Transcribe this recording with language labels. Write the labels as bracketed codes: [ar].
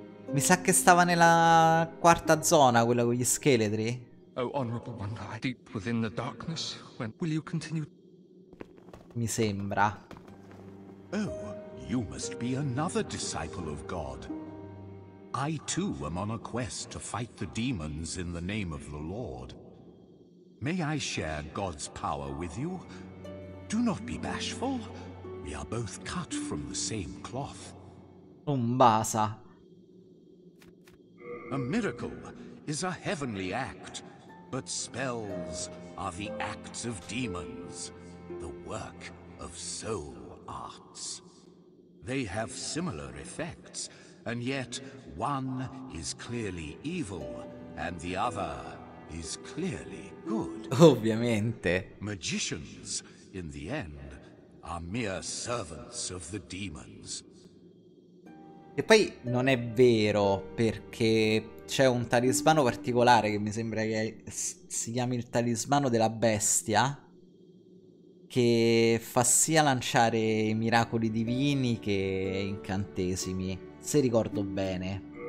[it] Mi sa che stava nella quarta zona, quella con gli scheletri. [en] Oh honorable one, deep within the darkness, when will you continue? [it] Mi sembra. [en] Oh, you must be another disciple of God. I too am on a quest to fight the demons in the name of the Lord. May I share God's power with you? Do not be bashful. We are both cut from the same cloth. Umbasa. A miracle is a heavenly act, but spells are the acts of demons, the work of soul arts. They have similar effects, and yet one is clearly evil, and the other is clearly good. [it] Ovviamente. [en] Magicians, in the end, are mere servants of the demons. [it] E poi non è vero, perché c'è un talismano particolare che mi sembra che si chiami il talismano della bestia, che fa sia lanciare miracoli divini che incantesimi, se ricordo bene.